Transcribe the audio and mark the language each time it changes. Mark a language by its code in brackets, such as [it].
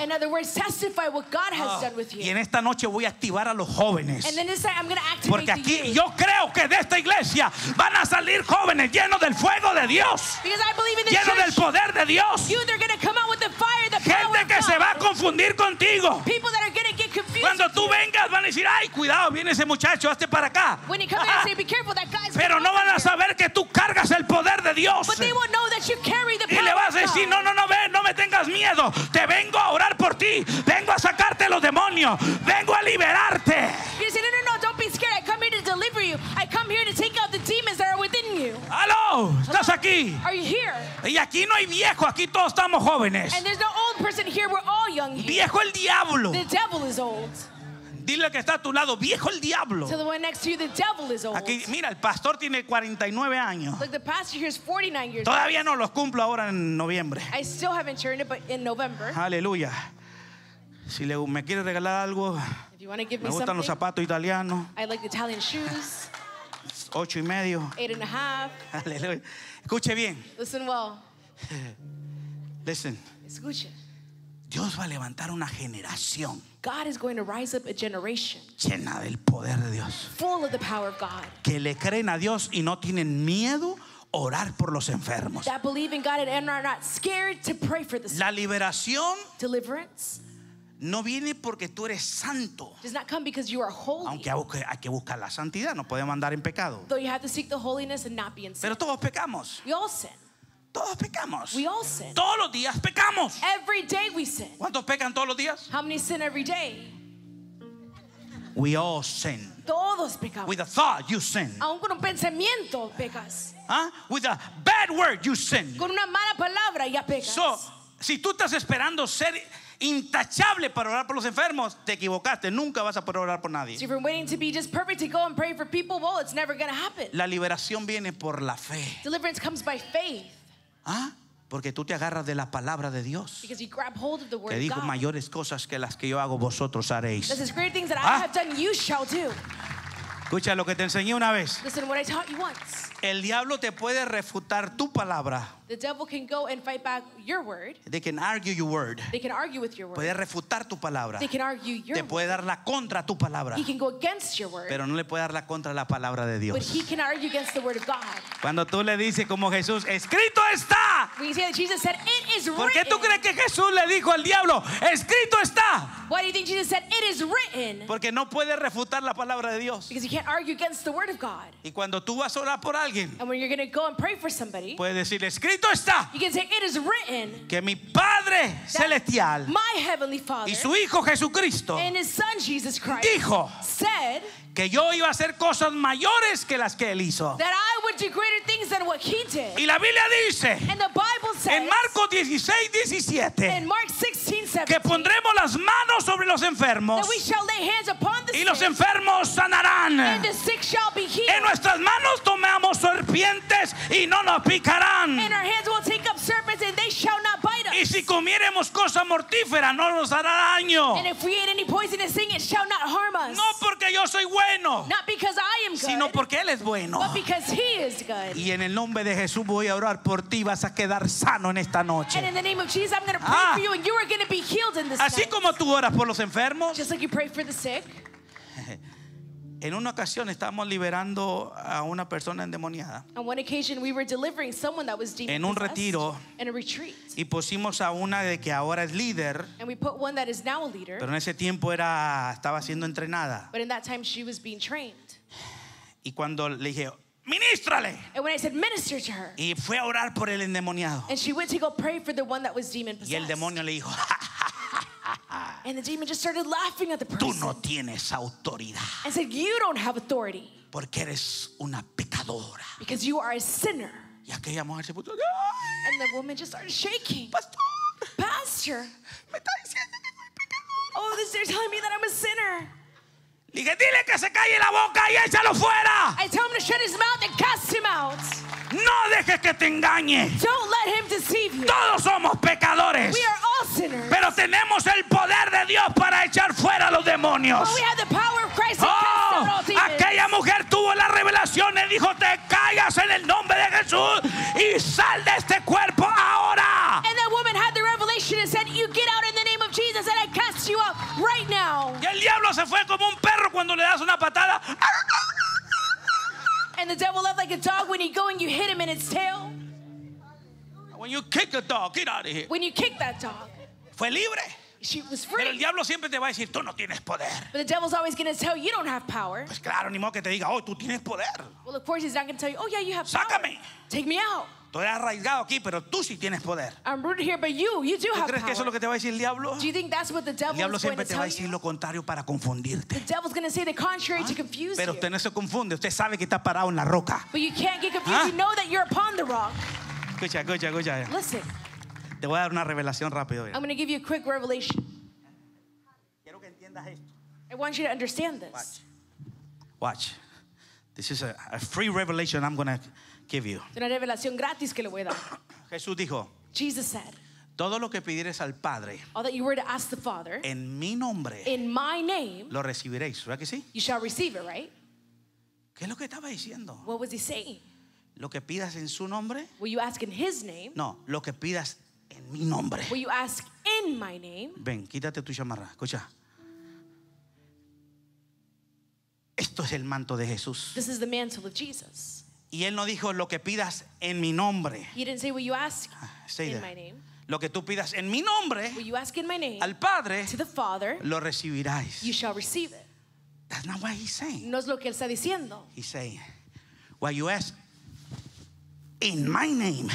[en] In other words, testify what God has done with you. [es] Y en esta noche voy a activar a los jóvenes. [en] And then this night I'm going to activate you. [es] Porque aquí yo creo que de esta iglesia van a salir jóvenes llenos del fuego de Dios. [en] Because I believe in the [es] llenos [en] church, [es] del poder de Dios. [en] You, they're going to come out with the fire, the [es] gente [en] power of [es] que [en] God. [es] Se va a confundir contigo. [en] People that are going to get confused. [es] Cuando tú [en] with [es] vengas van a decir, ay, cuidado, viene ese muchacho, hazte para acá. [en] When you come in, say, be careful, that guy's. [es] Pero no van a saber que tú cargas el poder de Dios. [en] But they won't know that you carry the power. [es] Y le vas a decir, no, no, no, ven, no me tengas miedo. Te vengo a orar por ti. Vengo a sacarte los demonios. Vengo a liberarte. [en] You say, no, no, no, don't be scared. I come here to deliver you. I come here to take out the demons that are within you. [es] Aló, ¿estás aquí? [en] Are you here? [es] Y aquí no hay viejo, aquí todos estamos jóvenes. [en] And there's no old person here, we're all young here. [es] Viejo el diablo. [en] The devil is old. [es] Dile que está a tu lado, viejo el diablo. [en] To the one next to you, the devil is old. [es] Aquí, mira, el pastor tiene 49 años. [en] Look, the pastor here is 49 years. [es] Todavía no los cumplo ahora en noviembre. [en] I still haven't turned it, but in November. [es] Aleluya. Si le me quiere regalar algo. [en] If you want to give me something. [es] Me gustan los zapatos italianos. [en] I like the Italian shoes. 8.5. 8.5. [es] Aleluya. Escuche bien. [en] Listen well. Listen. [es] Escuche. Dios va a levantar una generación. [en] God is going to rise up a generation [es] llena del poder de Dios. [en] Full of the power of God. [es] Que le creen a Dios y no tienen miedo orar por los enfermos. [en] That believe in God and are not scared to pray for the sick. [es] La liberación. [en] Deliverance. [es] No viene porque tú eres santo. [en] Does not come because you are holy. [es] Aunque hay que buscar la santidad, no podemos andar en pecado. [en] Though you have to seek the holiness and not be in sin. [es] Pero todos pecamos. [en] We all sin. [es] Todos pecamos. [en] We all sin. [es] Todos los días pecamos. [en] Every day we sin. [es] ¿Cuántos pecan todos los días? [en] How many sin every day? We all sin. [es] Todos pecamos. [en] With a thought you sin. [es] Aún con un pensamiento pecas. [en] Huh? With a bad word you sin. [es] Con una mala palabra ya pecas. So, si tú estás esperando ser intachable para orar por los enfermos, te equivocaste. Nunca vas a poder orar por nadie. [en] So if you're waiting to be just perfect to go and pray for people, well, it's never going to happen. [es] La liberación viene por la fe. [en] Deliverance comes by faith. ¿Ah? [es] Porque tú te agarras de la palabra de Dios. [en] Because you grab hold of the word. [es] Te dijo [en] God. [es] Mayores cosas que las que yo hago vosotros haréis. [en] This is great things that I have done, you shall do. [es] Escucha lo que te enseñé una vez. [en] Listen, what I taught you once. [es] El diablo te puede refutar tu palabra. [en] The devil can go and fight back your word. They can argue your word. They can argue with your word. [es] Puede refutar tu palabra. [en] They can argue your [es] word. Te puede dar la contra tu palabra. [en] He can go against your word. [es] Pero no le puede dar la contra la palabra de Dios. [en] But he can argue against the word of God. [es] Cuando tú le dices como Jesús, escrito está. [en] We see that Jesus said, it is written. [es] ¿Por qué tú crees que Jesús le dijo al diablo, escrito está? [en] Why do you think Jesus said, it is written? [es] Porque no puede refutar la palabra de Dios. [en] Because he can't argue against the word of God. [es] Y cuando tú vas a orar por alguien. [en] And when you're going to go and pray for somebody. [es] Puedes decir, escrito. You [en] can say it is written [es] que mi Padre celestial, [en] my Heavenly Father [es] y su Hijo Jesucristo, [en] and His Son Jesus Christ [es] dijo, [en] said [es] que yo iba a hacer cosas mayores que las que Él hizo. [en] That I would do greater things than what He did. [es] Y la Biblia dice, [en] and the Bible says [es] en Marcos 16:17 [en] in Mark 16:17 [es] que pondremos las manos sobre los enfermos [en] that we shall lay hands upon the [es] y los enfermos sanarán. [en] And the sick shall be healed. [es] En nuestras manos tomamos serpientes y no nos picarán. [en] And our hands will take up serpents and they shall not bite us. [es] Y si comiéremos cosa mortífera no nos hará daño. [en] And if we eat any poisonous thing it shall not harm us. [es] No porque yo soy bueno, [en] not because I am good, [es] sino porque Él es bueno. [en] But because He is good. [es] Y en el nombre de Jesús voy a orar por ti, vas a quedar sano en esta noche. [en] And in the name of Jesus I'm going to pray for you and you are going to be healed in this [es] así [en] night. [es] Como tú oras por los enfermos. [en] Just like you pray for the sick. [es] En una ocasión estábamos liberando a una persona endemoniada. [en] On one occasion we were delivering someone that was demon-possessed. [es] En un retiro. [en] In a retreat. [es] Y pusimos a una de que ahora es líder. [en] And we put one that is now a leader. [es] Pero en ese tiempo estaba siendo entrenada. [en] But in that time she was being trained. [es] Y cuando le dije, ministrale. [en] And when I said minister to her. [es] Y fue a orar por el endemoniado. [en] And she went to go pray for the one that was demon-possessed. [es] Y el demonio le dijo, [en] and the demon just started laughing at the person. [es] Tú no tienes autoridad. [en] And said, you don't have authority. [es] Porque eres una pecadora. [en] Because you are a sinner. [es] Y aquella mujer se puso, [en] and the woman just started shaking. [es] Pastor. [en] Pastor. [es] Me está diciendo que soy pecadora. [en] Oh, this, they're telling me that I'm a sinner. [es] Dije, dile que se calle la boca y échalo fuera. [en] I tell him to shut his mouth and cast him out. [es] No dejes que te engañe. [en] Don't let him deceive you. [es] Todos somos pecadores. [en] We are all sinners. [es] Pero tenemos el poder de Dios para echar fuera a los demonios. [en] But we have the power of Christ to cast out all demons. [es] Aquella mujer tuvo la revelación y dijo, te callas en el nombre de Jesús y sal de este cuerpo ahora. [en] And that woman had the revelation. demolition and said, you get out in the name of Jesus and I cast you out right now. [es] Y el diablo se fue como un perro cuando le das una patada. [en] And the devil left like a dog when he go and you hit him in its tail. When you kick a dog, get out of here. When you kick that dog. [es] Fue libre. [en] She was free. [es] Pero el diablo siempre te va a decir, tú no tienes poder. [en] But the devil's always going to tell you, you don't have power. [es] Pues claro, ni modo que te diga, oh, tú tienes poder. [en] Well, of course, he's not going to tell you, oh, yeah, you have [es] Sácame. [en] Power. Take me out. [es] Tú eres arraigado aquí, pero tú sí tienes poder. [en] I'm rooted here, but you do have power. [es] ¿Tú crees que eso es lo que te va a decir el diablo? [en] Do you think that's what the devil [es] El diablo [en] is [es] siempre te va a decir [en] you? [es] Lo contrario para confundirte. [en] The devil's going to say the contrary to confuse [es] pero Pero usted no se confunde, usted sabe que está parado en la roca. [en] But you can't get confused, you know that you're upon the rock. [es] Escucha. [en] Listen. [es] Te voy a dar una revelación rápido. [en] I'm going to give you a quick revelation. [es] Quiero que entiendas esto. [en] I want you to understand this. Watch. This is a free revelation I'm going to give you. [es] Es una revelación gratis que le voy a dar. Jesús dijo. [en] Jesus said. [es] Todo lo que pidieres al Padre. [en] All that you were to ask the Father. [es] En mi nombre. [en] In my name. [es] Lo recibiréis, ¿verdad que sí? [en] You shall receive it, right? [es] ¿Qué es lo que estaba diciendo? [en] What was he saying? [es] Lo que pidas en su nombre. [en] Will you ask in his name? [es] No, lo que pidas mi nombre. [en] Will you ask in my name? [es] Ven, quítate tu chamarra. Escucha. Esto es el manto de Jesús. [en] This is the mantle of Jesus. [es] Y él no dijo lo que pidas en mi nombre. [en] He didn't say will you ask in my name. [es] Lo que tú pidas en mi nombre. [en] Will you ask in my name? [es] Al Padre. [en] To the Father. [es] Lo recibirás. [en] You shall receive it. That's not what he's saying. [es] No es lo que él está diciendo. [en] He's saying, what you ask in my name.